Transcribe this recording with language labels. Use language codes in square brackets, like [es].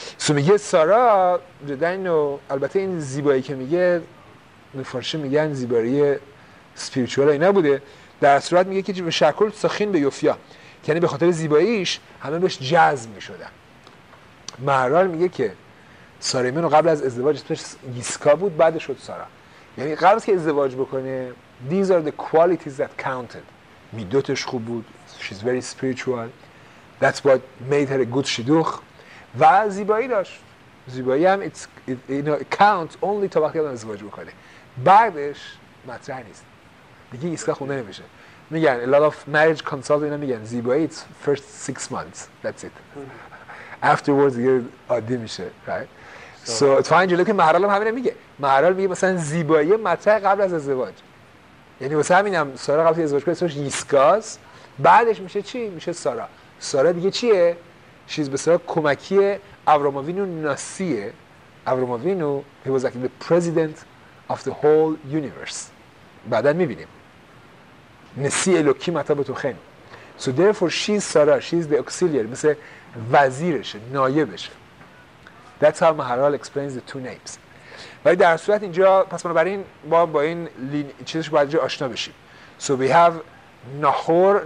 [fa] So میگه سارا جدن، و البته این زیبایی که میگه فارسی میگن زیبایی سپیریچوال هایی نبوده، در صورت میگه که به شکل سخین به یوفیا، یعنی به خاطر زیباییش همه بهش جذب میشدن. مهرال میگه که سارا منو قبل از ازدواج اسمش ایسکا بود، بعد شد سارا. یعنی قبل از که ازدواج بکنه، [en] these are the qualities that counted. [fa] میدوتش خوب بود. [en] She's very spiritual. That's what made her a good shidduch. [fa] و زیبایی داشت. زیبایی هم count only تا وقتی آدم ازدواج بکنه. بعدش مطرح نیست. دیگه ایسکا خونده نمیشه. میگن [en] a lot of marriage consultants [fa] اینا میگن زیبایی [en] it's first 6 months. That's it. [fa] Afterwards دیگه عادی میشه. [en] Right? So it's fine. [fa] جلو که مهرال هم همینه میگه. مهرال میگه مثلا زیبایی مطرح قبل از ازدواج. یعنی واسه همین هم سارا قبل از ازدواج اسمش ایسکاست. بعدش میشه چی؟ میشه سارا. سارا دیگه چیه؟ شیز به سارا کمکیه ابراهاموینو ناسیه. [en] ابراهاموینو he was like the president of the whole universe. [fa] بعدا میبینیم. [he] نسی الوکی متابتو خین. [en] So therefore she's Sarah. She's the auxiliary. [fa] مثل وزیرشه. نایبشه. [en] That's how Maharal explains the two names. [fa] ولی در صورت اینجا پس بنابراین با این چیزش باید جا آشنا بشیم. [en] So we have نحور.